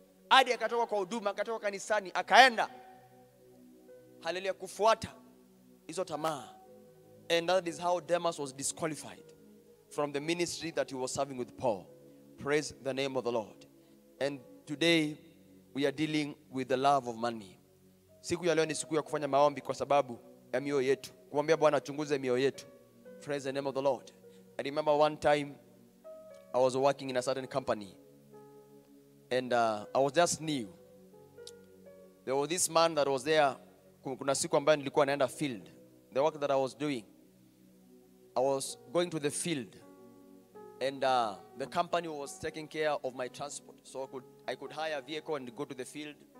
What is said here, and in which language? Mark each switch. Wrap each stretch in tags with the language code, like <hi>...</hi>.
<sw>Hadi akatoka kwa huduma, akatoka kanisani, akaenda. Haleluya kufuata hizo tamaa.</sw> <en>And that is how Demas was disqualified from the ministry that he was serving with Paul. Praise the name of the Lord. And today we are dealing with the love of money.</en> <sw>Siku ya leo ni siku ya kufanya maombi kwa sababu ya mioyo yetu. Kumwambia Bwana achunguze mioyo yetu.</sw> <en>Praise the name of the Lord. I remember one time I was working in a certain company, and I was just new. There was this man that was there.</en> <sw>Kuna siku ambayo nilikuwa naenda field.</sw> <en>The work that I was doing, I was going to the field, and the company was taking care of my transport, so I could hire a vehicle and go to the field.</en>